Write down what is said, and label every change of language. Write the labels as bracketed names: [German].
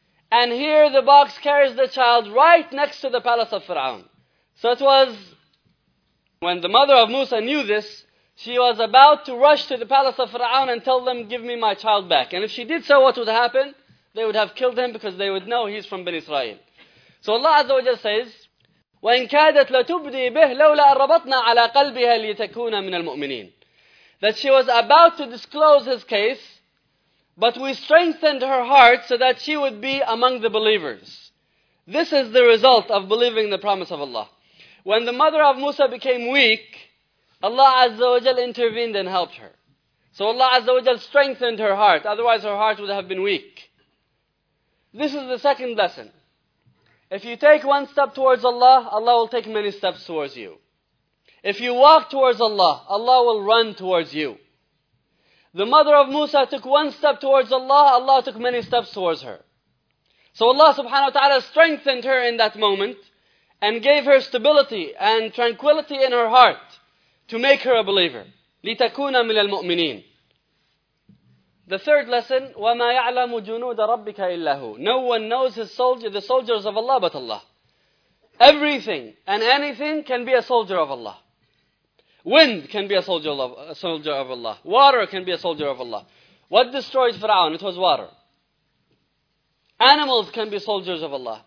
[English] And here the box carries the child right next to the palace of Fir'aun. So it was When the mother of Musa knew this, she was about to rush to the palace of Fir'aun and tell them, give me my child back. And if she did so, what would happen? They would have killed him because they would know he's from Bani Israel. [Arabic] So Allah Azza wa Jalla says, وَإِنْ كَادَتْ لَتُبْدِي بِهْ لَوْلَا أَرَّبَطْنَا عَلَىٰ قَلْبِهَا لِيَتَكُونَ مِنَ الْمُؤْمِنِينَ. [English] That she was about to disclose his case, but we strengthened her heart so that she would be among the believers. This is the result of believing the promise of Allah. When the mother of Musa became weak, Allah Azza wa Jal intervened and helped her. So Allah Azza wa Jal strengthened her heart, otherwise her heart would have been weak. This is the second lesson. If you take one step towards Allah, Allah will take many steps towards you. If you walk towards Allah, Allah will run towards you. The mother of Musa took one step towards Allah, Allah took many steps towards her. So Allah subhanahu wa ta'ala strengthened her in that moment and gave her stability and tranquility in her heart to make her a believer. [Arabic] لِتَكُونَ مِنَ الْمُؤْمِنِينَ. [English] The third lesson, [Arabic] وَمَا يَعْلَمُ جُنُودَ رَبِّكَ إِلَّهُ. [English] No one knows his soldier, the soldiers of Allah but Allah. Everything and anything can be a soldier of Allah. Wind can be a soldier of Allah. Water can be a soldier of Allah. What destroyed Fir'aun? It was water. Animals can be soldiers of Allah.